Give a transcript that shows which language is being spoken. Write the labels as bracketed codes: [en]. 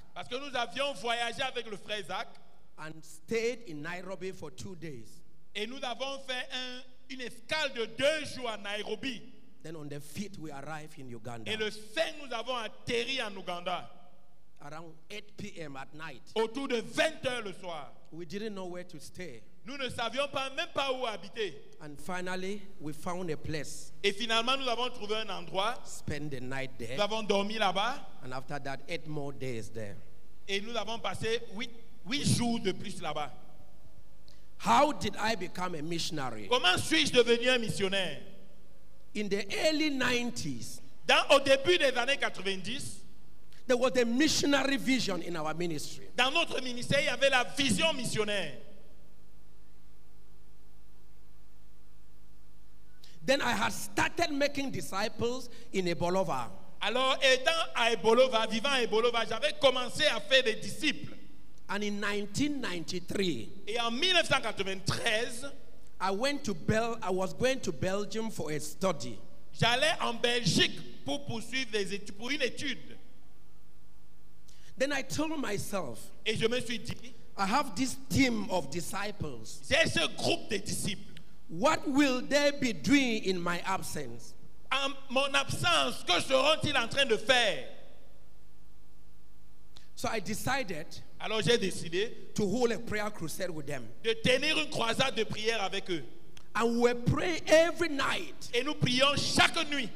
[fr] Parce que nous avions voyagé avec le frère Zach. [en] And stayed in Nairobi for 2 days. [fr] Et nous avons fait une escale de 2 jours à Nairobi. [en] Then on the 5th we arrive in Uganda. [fr] Et le 5 nous avons atterri en Ouganda. [en] Around 8 p.m. at night. [fr] Autour de 20h le soir. [en] We didn't know where to stay. [fr] Nous ne savions pas même pas où habiter. [en] And finally we found a place. [fr] Et finalement nous avons trouvé un endroit. [en] Spend the night there. [fr] Nous avons dormi là-bas. [en] And after that 8 more days there. [fr] Et nous avons passé 8 jours de plus là-bas. [en] How did I become a missionary? [fr] Comment suis-je devenu un missionnaire? [en] In the early 90s, [fr] au début des années 90, [en] there was a missionary vision in our ministry. [fr] Dans notre ministère, il y avait la vision missionnaire. [en] Then I had started making disciples in Ebolova. [fr] Alors, étant à Ebolova, vivant à Ebolova, j'avais commencé à faire des disciples. [en] And in 1993, [fr] et en 1993, [en] I was going to Belgium for a study. [fr] J'allais en Belgique pour poursuivre des études, pour une étude. [en] Then I told myself, [fr] et je me suis dit, [en] I have this team of disciples. [fr] J'ai ce groupe de disciples. [en] What will they be doing in my absence? [fr] En mon absence, que seront-ils en train de faire? [en] So I decided, [fr] alors j'ai décidé, [en] to hold a prayer crusade with them. [fr] De tenir une croisade de prière avec eux. [en] And we pray every night. [fr] Et nous prions chaque nuit.